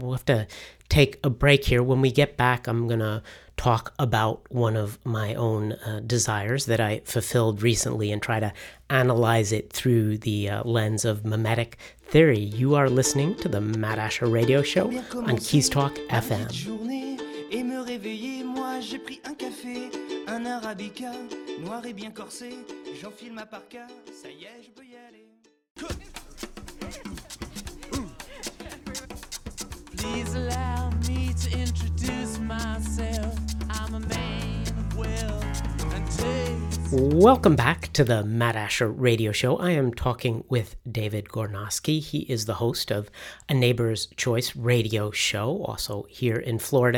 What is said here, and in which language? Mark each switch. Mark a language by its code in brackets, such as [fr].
[en] We'll have to take a break here. When we get back, I'm going to talk about one of my own desires that I fulfilled recently and try to analyze it through the lens of mimetic theory. You are listening to the Matt Asher Radio Show on Keys Talk FM. [fr] Et me réveiller, moi j'ai pris un café, un arabica, noir et bien corsé, j'enfile ma parka, ça y est, je peux y aller. [en] Please allow me to introduce myself, I'm a man of wealth and taste. Welcome back to the Matt Asher Radio Show. I am talking with David Gornoski. He is the host of A Neighbor's Choice radio show, also here in Florida.